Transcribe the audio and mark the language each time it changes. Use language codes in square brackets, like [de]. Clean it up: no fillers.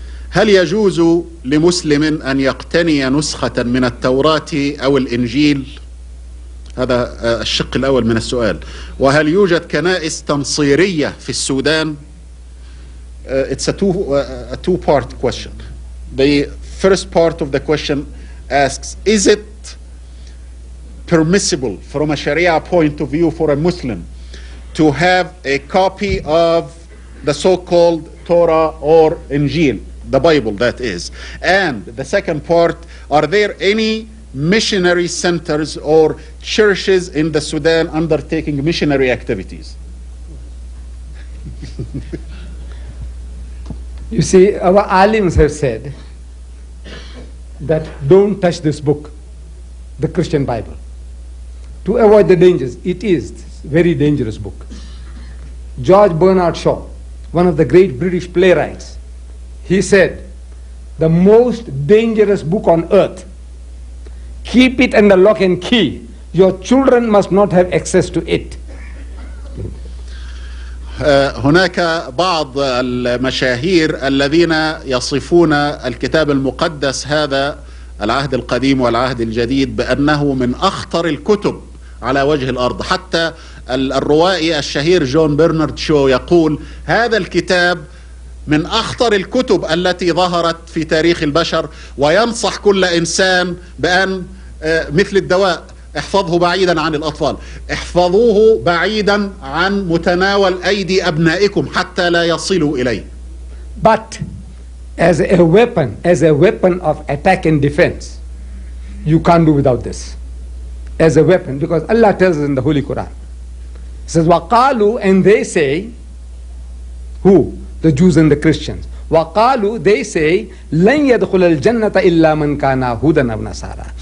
[ar] هل يجوز لمسلم أن يقتني نسخة من التوراة أو الإنجيل؟ هذا الشق الأول من السؤال. وهل يوجد كنائس تنصيرية في السودان؟ [en] It's a two-part question. The first part of the question asks, is it permissible from a Sharia point of view for a Muslim to have a copy of the so-called Torah or Injil, the Bible that is? And the second part, are there any missionary centers or churches in the Sudan undertaking missionary activities? You see, our alims have said that don't touch this book, the Christian Bible, to avoid the dangers. It is a very dangerous book. George Bernard Shaw, one of the great British playwrights, he said, the most dangerous book on earth. Keep it under lock and key. Your children must not have access to it. [ar] هناك بعض المشاهير الذين يصفون الكتاب المقدس هذا العهد القديم والعهد الجديد بأنه من أخطر الكتب على وجه الأرض. حتى الروائي الشهير جون برنارد شو يقول هذا الكتاب من أخطر الكتب التي ظهرت في تاريخ البشر، وينصح كل إنسان بأن مثل الدواء احفظه بعيدا عن الأطفال، احفظوه بعيدا عن متناول أيدي أبنائكم حتى لا يصلوا إليه. [en] But as a weapon of attack and defense, you can't do without this. As a weapon, because Allah tells us in the Holy Quran, it says, وقالوا, and they say, who? The Jews and the Christians. [ar] وقالوا, [en] they say, [ar] لن يدخل الجنة إلا من كان هودا أو نصارى.